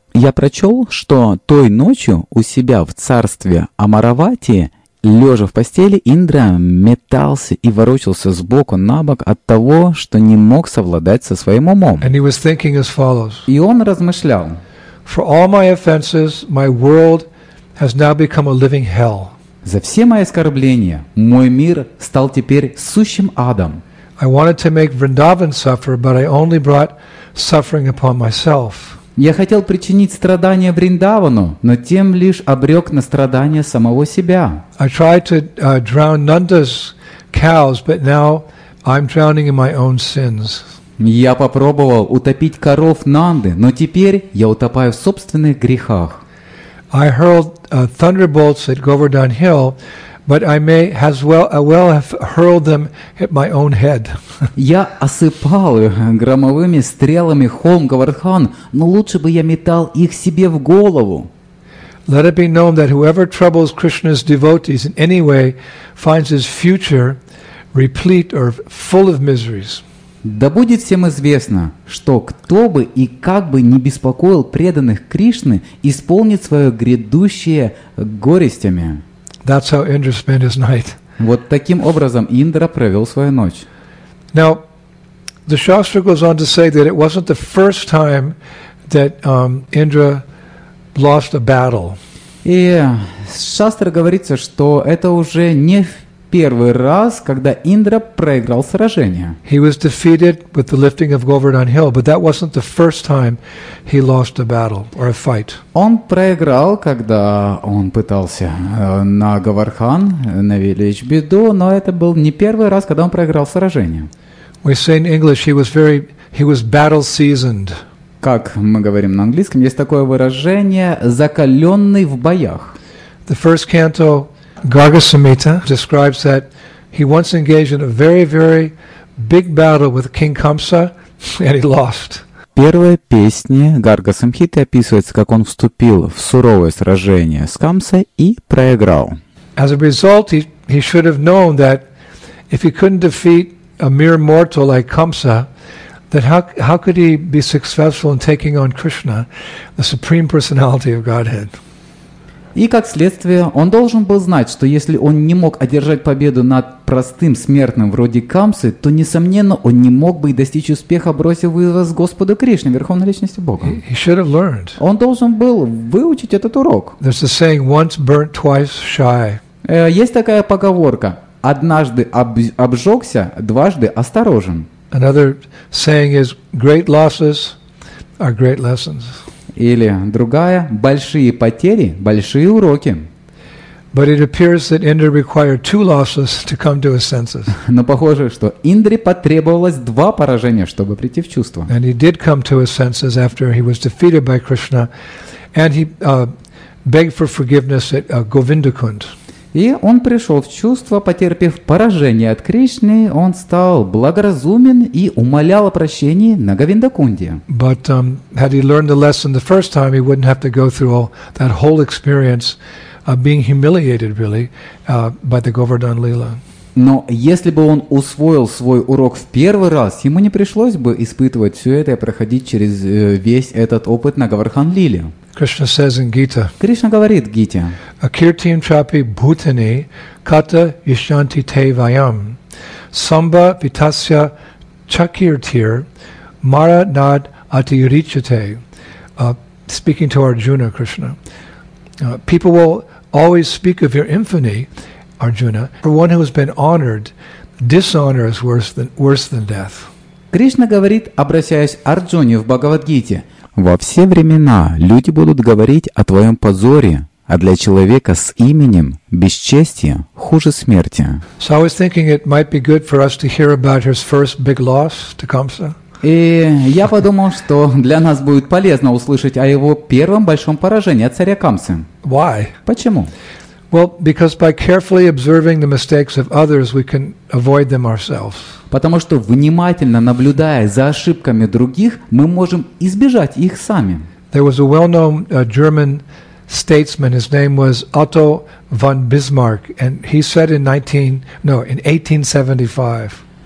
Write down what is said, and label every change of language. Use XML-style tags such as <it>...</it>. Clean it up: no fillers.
<ru>Я прочел, что той ночью у себя в царстве Амаравати лежа в постели, Индра метался и ворочался с боку на бок от того, что не мог совладать со своим умом.</ru> <en>And he was thinking as follows.</en> <ru>И он размышлял:</ru> <en>For all my offenses, my world has now become a living hell.</en> <ru>За все мои оскорбления мой мир стал теперь сущим адом.</ru> <en>I wanted to make Vrindavan suffer, but I only brought suffering upon myself.</en> <ru>Я хотел причинить страдания Вриндавану, но тем лишь обрек на страдания самого себя.</ru> <en>I tried to drown Nanda's cows, but now I'm drowning in my own sins.</en> <ru>Я попробовал утопить коров Нанды, но теперь я утопаю в собственных грехах.</ru> <en>I hurled thunderbolts at Govardhan Hill, but I may as well have hurled them at my own head.</en> <ru>Я осыпал громовыми стрелами холм Говардхан, но лучше бы я метал их себе в голову.</ru> <en>Let it be known that whoever troubles Krishna's devotees in any way finds his future replete or full of miseries.</en> <ru>Да будет всем известно, что кто бы и как бы ни беспокоил преданных Кришны, исполнит свое грядущее горестями.</ru> <en>That's how Indra spent his night.</en> <ru>Вот таким образом Индра провел свою ночь.</ru> <en>Now, the Shastra goes on to say that it wasn't the first time that Indra lost a battle.</en> <ru>И Шастра говорится, что это уже не первый раз, когда Индра проиграл сражение.</ru> <en>He was defeated with the lifting of Govardhan Hill, but that wasn't the first time he lost a battle or a fight.</en> <ru>Он проиграл, когда он пытался на Говардхан навлечь беду, но это был не первый раз, когда он проиграл сражение.</ru> <en>We say in English he was battle seasoned.</en> <ru>Как мы говорим на английском, есть такое выражение закаленный в боях.</ru> <en>The first canto Garga Samhita describes that he once engaged in a very, very big battle with King Kamsa, and he lost.</en> <ru>Первая песня Гарга Самхиты описывается, как он вступил в суровое сражение с Камсой и проиграл.</ru> <en>As a result, he should have known that if he couldn't defeat a mere mortal like Kamsa, then how could he be successful in taking on Krishna, the supreme personality of Godhead?</en> <ru>И, как следствие, он должен был знать, что если он не мог одержать победу над простым смертным вроде Камсы, то, несомненно, он не мог бы и достичь успеха, бросив вызов Господу Кришне, Верховной Личности Бога.</ru> <en>He should have learned.</en> <ru>Он должен был выучить этот урок.</ru> <en>There's a saying, once burnt, twice shy.</en> <ru>Есть такая поговорка: «Однажды обжегся, дважды осторожен».</ru> <en>Another saying is, great losses are great lessons.</en> <ru>Или другая: большие потери – большие уроки.</ru> <en>But it appears that Indra required two losses to come to his senses.</en> <ru>Но похоже, что Индре потребовалось два поражения, чтобы прийти в чувство.</ru> <en>And he did come to his senses after he was defeated by Krishna, and he begged for forgiveness at Govindakund.</en> <ru>И он пришел в чувство, потерпев поражение от Кришны, он стал благоразумен и умолял о прощении на Говиндакунде.</ru> <en>But had he learned the lesson the first time, he wouldn't have to go through all that whole experience of being humiliated, really, by the Govardhan Lila.</en> <ru>Но если бы он усвоил свой урок в первый раз, ему не пришлось бы испытывать все это и проходить через весь этот опыт на Говардхан Лиле.</ru> <en>Krishna says in Gita.</en> <ru>Krishna говорит в Гите.</ru> <sa>Акиртим чапи бхутани ката ишьянти те вайам. Самба витасья чакиртир мара над атиричате.</sa> <en>Speaking to Arjuna, Krishna. People will always speak of your infamy, Arjuna. For one who has been honored, dishonor is worse than death.</en> <ru>Кришна говорит, обращаясь к Арджуне в Бхагавадгите: «Во все времена люди будут говорить о твоем позоре, а для человека с именем бесчестие хуже смерти».</ru> <en>So I was thinking it might be good for us to hear about his first big loss to Kamsa.</en> <ru>И я подумал, что для нас будет полезно услышать о его первом большом поражении от царя Камсы.</ru> <en>Why?</en> <ru>Почему?</ru> <en>Well, because by carefully observing the mistakes of others, we can avoid them ourselves.</en> <ru>Потому что внимательно наблюдая за ошибками других, мы можем избежать их сами.</ru> <en>There was a well-known German statesman. His name was Otto von Bismarck, and he said in 1875.</en>